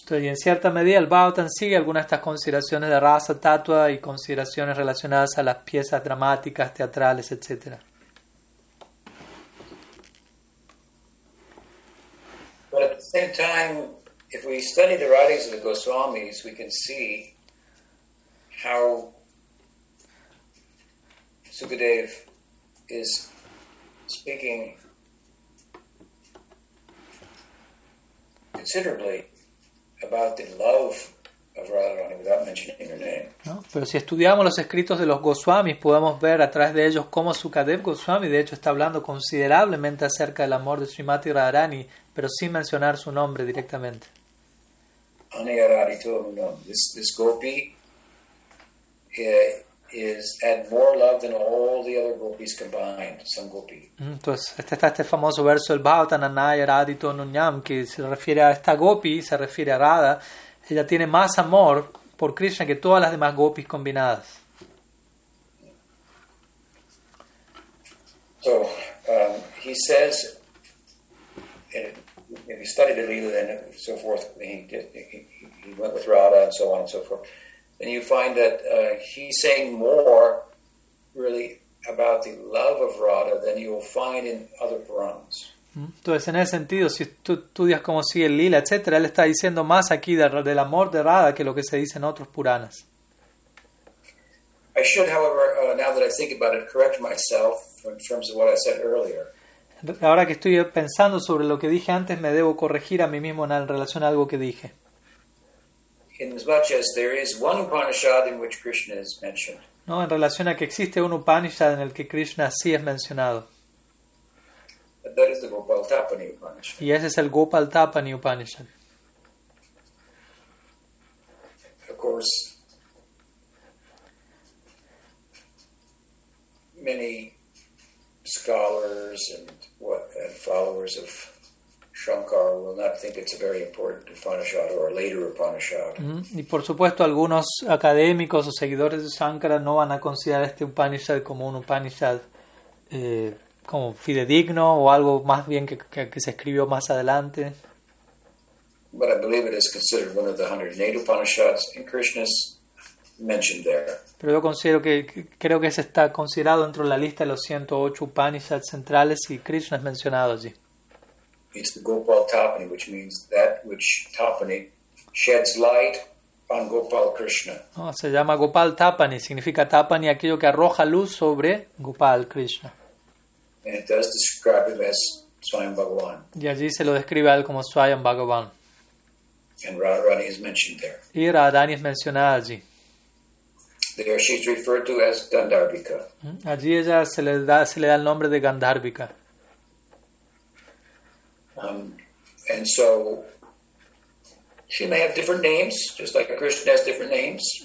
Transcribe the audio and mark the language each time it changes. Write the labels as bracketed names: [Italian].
[Spanish] Entonces, y en cierta medida el Bhagavatam sigue algunas de estas consideraciones de Rasa Tattva y consideraciones relacionadas a las piezas dramáticas, teatrales, etc. [English] But at the same time, if we study the writings of the Goswamis, we can see how Sukadev is speaking considerably about the love of Radharani without mentioning her name. [Spanish] No, pero si estudiamos los escritos de los Goswamis, podemos ver a través de ellos cómo Sukadev Goswami, de hecho, está hablando considerablemente acerca del amor de Srimati Radharani, pero sin mencionar su nombre directamente. [English] This gopi is had more love than all the other gopis combined, some gopi. [Spanish] Entonces, este famoso verso del Bhagavatam, [Sanskrit] Anaya Radhito Nunyam, [Spanish] que se refiere a esta gopi, se refiere a Radha, ella tiene más amor por Krishna que todas las demás gopis combinadas. [English] So, he says, if he studied the Lila and so forth, he went with Radha and so on and so forth, and you find that he's saying more, really, about the love of Radha than you'll find in other Puranas. [Spanish] Entonces, en ese sentido, si tú estudias cómo sigue el Lila, etc., él está diciendo más aquí del amor de Radha que lo que se dice en otros Puranas. [English] I should, however, now that I think about it, correct myself in terms of what I said earlier. [Spanish] Ahora que estoy pensando sobre lo que dije antes, me debo corregir a mí mismo en relación a algo que dije. [English] Inasmuch as there is one Upanishad in which Krishna is mentioned. [Spanish] No, en relación a que existe un Upanishad en el que Krishna sí es mencionado. [English] And that is the Gopaltapani Upanishad. [Spanish] Y ese es el Gopaltapani Upanishad. [English] Of course, many scholars and followers of Shankar will not think it's a very important Upanishad or a later Upanishad. [Spanish] Y por supuesto algunos académicos o seguidores de Shankara no van a considerar este Upanishad como un Upanishad como fidedigno o algo más bien que se escribió más adelante. [English] But I believe it is considered one of the 108 Upanishads and Krishna's mentioned there. [Spanish] Pero yo considero creo que ese está considerado dentro de la lista de los 108 Upanishads centrales y Krishna es mencionado allí. [English] It's the Gopal Tapani, which means that which Tapani sheds light on Gopal Krishna. [Spanish] Oh, se llama Gopal Tapani, significa Tapani, aquello que arroja luz sobre Gopal Krishna. [English] And it does describe him as Swayam Bhagavan. [Spanish] Y allí se lo describe a él como Swayam Bhagavan. [English] And Radharani is mentioned there. [Spanish] Y Radharani es mencionada allí. [English] There she's referred to as Gandharvika. [Spanish] Allí ella se le da el nombre de Gandharvika. [English] And so she may have different names, just like Krishna has different names.